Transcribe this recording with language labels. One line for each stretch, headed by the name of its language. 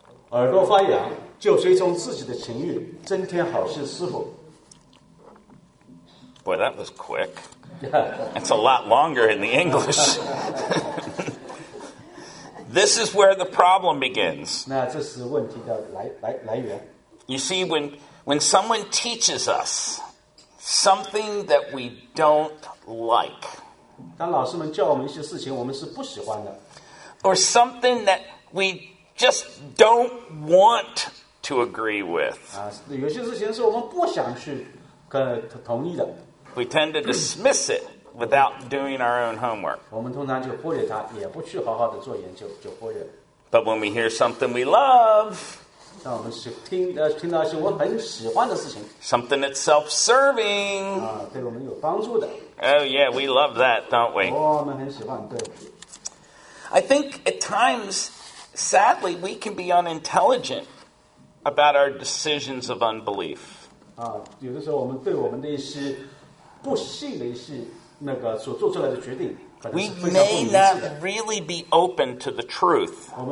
Chinese: 耳朵发痒，就随从自己的情欲，增添好事师傅。
English: Boy, that was quick. It's a lot longer in the English. This is where the problem begins.
Chinese: 那这是问题的来源。
English: You see, when someone teaches us something that we don't like,
Chinese: 当老师们教我们一些事情我们是不喜欢的
English: or something that we just don't want to agree with,
Chinese: 有些事情是我们不想去同意的
English: we tend to dismiss it without doing our own homework.
Chinese: 我们通常就忽略它，也不去好好的做研究，就忽略。
English: But when we hear something we love,
Chinese: 让我们听到一些我很喜欢的事情。
English: Something that's self-serving.
Chinese: 对我们有帮助的。
English: Oh yeah, we love that, don't we?
Chinese: 我们很喜欢，对。
English: I think at times, sadly, we can be unintelligent about our decisions of unbelief.
Chinese: 有的时候我们对我们的一些不信的一些那个所做出来的决定。
English: We may not really be open to the truth.